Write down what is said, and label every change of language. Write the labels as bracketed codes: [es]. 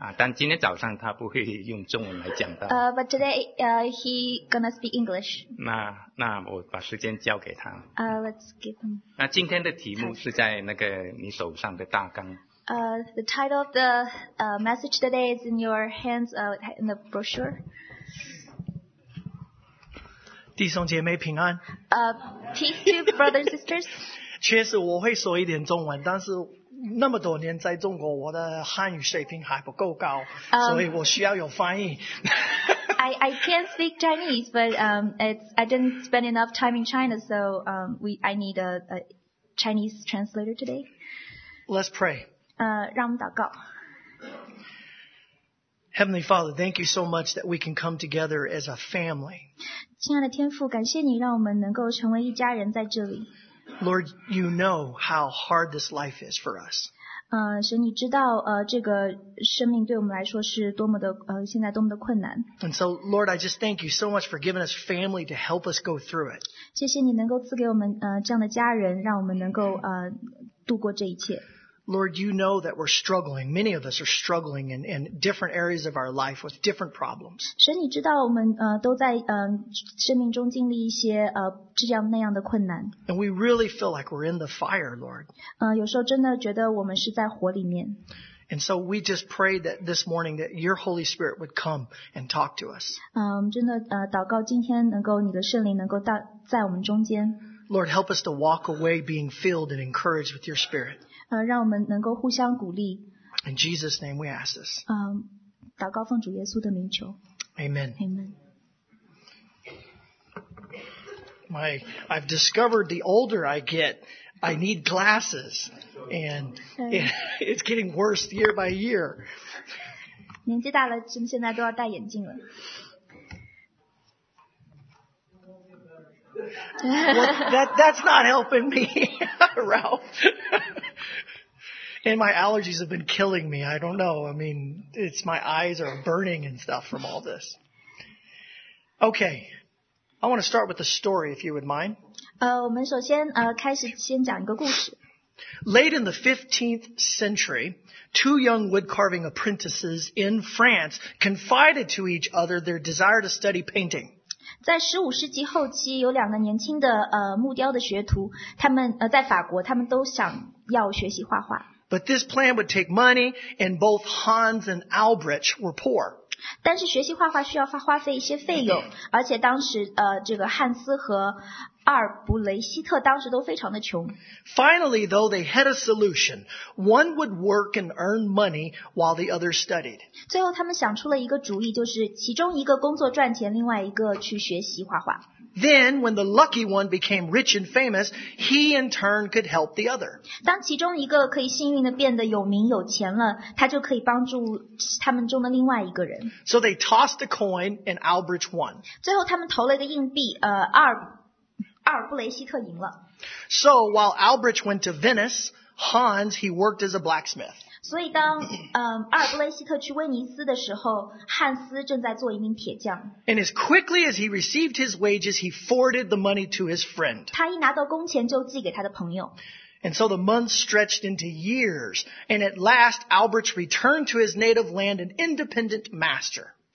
[zh] 但今天早上他不会用中文来讲的。 [en] But today, he gonna speak English. [zh] 那我把时间交给他。 [en] Let's give him. [zh] 那今天的题目是在那个你手上的大纲。 [en] The title of the message today is in your hands, in the brochure. [zh] 弟兄姐妹平安。 [en] Peace to brothers and sisters. [zh] 确实我会说一点中文，但是那么多年在中国，我的汉语水平还不够高，所以我需要有翻译。 [en] I can't speak Chinese, but I didn't spend enough time in China, so I need a Chinese translator today. Let's pray. [zh] 让我们祷告。 [en] Heavenly Father, thank you so much that we can come together as a family. [zh] 亲爱的天父，感谢你让我们能够成为一家人在这里。 [en] Lord, you know how hard this life is for us. [zh] 神，你知道这个生命对我们来说是多么的现在多么的困难。 [en] And so, Lord, I just thank you so much for giving us family to help us go through it. [zh] 谢谢你能够赐给我们这样的家人，让我们能够度过这一切。 [en] Lord, you know that we're struggling. Many of us are struggling in different areas of our life with different problems. [zh] 神，你知道我们都在生命中经历一些这样那样的困难。 [en] And we really feel like we're in the fire, Lord. [zh] 有时候真的觉得我们是在火里面。 [en] And so we just pray that this morning that your Holy Spirit would come and talk to us. [zh] 真的祷告今天能够你的圣灵能够在我们中间。 [en] Lord, help us to walk away being filled and encouraged with your Spirit. [zh] 让我们能够互相鼓励。 [en] In Jesus' name we ask this. [zh] 祷告奉主耶稣的名求。 [en] Amen. Amen. I've discovered the older I get, I need glasses. And it's getting worse year by year. [zh] 年纪大了，真现在都要戴眼镜了。 [en] That's not helping me, Ralph. And my allergies have been killing me. I don't know. I mean, it's my eyes are burning and stuff from all this. Okay, I want to start with a story, if you would mind. [zh] 我们首先开始先讲一个故事。 [en] Late in the 15th century, two young wood carving apprentices in France confided to each other their desire to study painting. [zh] 在十五世纪后期，有两个年轻的木雕的学徒，他们在法国，他们都想要学习画画。 [en] But this plan would take money, and both Hans and Albrecht were poor. [zh] 但是学习画画需要花费一些费用，而且当时这个汉斯和阿尔布雷希特当时都非常的穷。 [en] Finally, though, they had a solution. One would work and earn money while the other studied. [zh] 最后他们想出了一个主意，就是其中一个工作赚钱，另外一个去学习画画。 [en] Then, when the lucky one became rich and famous, he in turn could help the other. [zh] 当其中一个可以幸运地变得有名有钱了，他就可以帮助他们中的另外一个人。 [en] So they tossed a coin and Albrecht won. [zh] 最后他们投了一个硬币，阿尔布雷希特赢了。 [en] So while Albrecht went to Venice, Hans, he worked as a blacksmith. [zh] 所以当阿尔布雷希特去威尼斯的时候，汉斯正在做一名铁匠。 [en] And as quickly as he received his wages, he forwarded the money to his friend. [zh] 他一拿到工钱就寄给他的朋友。 [en] And so the months stretched into years, and at last Albrecht returned to his native land an independent master.